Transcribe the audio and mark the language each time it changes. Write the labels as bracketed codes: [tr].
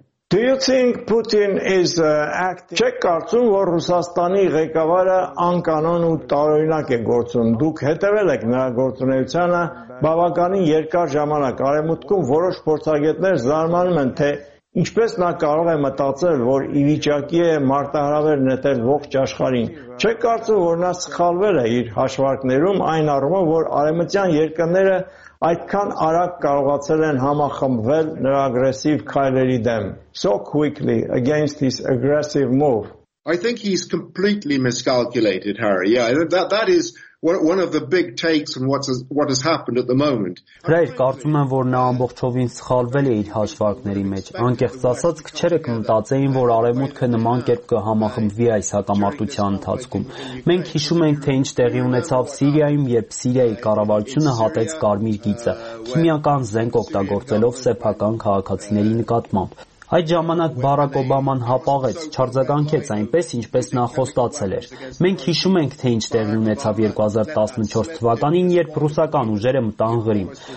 [en] Do you think Putin is acting? [hy] Չեք կարծում, որ Ռուսաստանի ղեկավարը անկանոն ու տարօրինակ է գործում։ Դուք հետևել եք նրա գործունեությանը բավականին երկար ժամանակ։ Արևմուտքում որոշ փորձագետներ զարմանում են, թե ինչպես նա կարող է մտածել, որ ի վիճակի է մարտահրավեր նետել ողջ աշխարհին։ Չեք կարծում, որ նա սխալվել է իր հաշվարկներում այն առումով, որ արևմտյան երկրները այդքան արագ կարողացել են համախմբվել նրա ագրեսիվ քայլերի դեմ? [en] So quickly against his aggressive move. I think he's completely miscalculated, Harry. Yeah, that is one of the big takes on what has happened at the moment. [hy] Բայց կարծում եմ, որ նա ամբողջովին սխալվել է իր հաշվարկների մեջ։ Անկեղծ ասած, քչերը կմտածեին, որ արևմուտքը նման կերպ կհամախմբվի այս հակամարտության ընթացքում։ Մենք հիշում ենք, թե ինչ տեղի ունեցավ Սիրիայում, երբ Սիրիայի կառավարությունը հատեց կարմիր գիծը, քիմիական զենք օգտագործելով սեփական քաղաքացիների նկատմամբ։ Այդ ժամանակ Բարակ Օբաման հապաղեց, չարձագանքեց այնպես, ինչպես նա խոստացել էր։ Մենք հիշում ենք, թե ինչ տեղի ունեցավ 2014 թվականին, երբ ռուսական ուժերը մտան Ղրիմ։